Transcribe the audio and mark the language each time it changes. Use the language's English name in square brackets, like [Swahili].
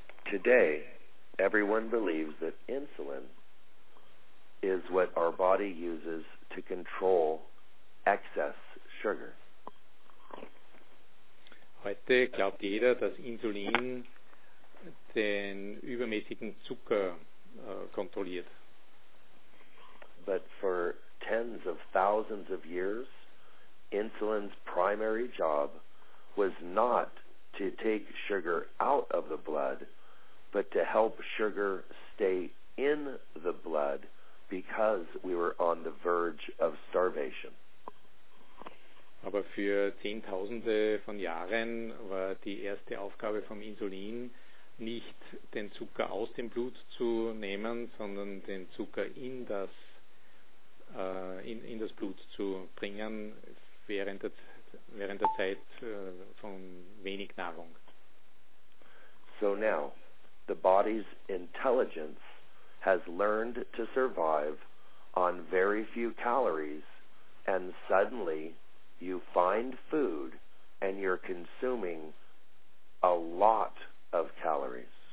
[English] Today, everyone believes that insulin is what our body uses to control excess sugar. [German] Heute glaubt jeder, dass Insulin den übermäßigen Zucker kontrolliert. [English] But for tens of thousands of years, insulin's primary job was not to take sugar out of the blood, but to help sugar stay in the blood because we were on the verge of starvation. [German] Aber für Zehntausende von Jahren war die erste Aufgabe vom Insulin nicht, den Zucker aus dem Blut zu nehmen, sondern den Zucker in das Blut zu bringen, während der Zeit von wenig Nahrung. [English] So now, the body's intelligence has learned to survive on very few calories, and suddenly you find food and you're consuming a lot of calories.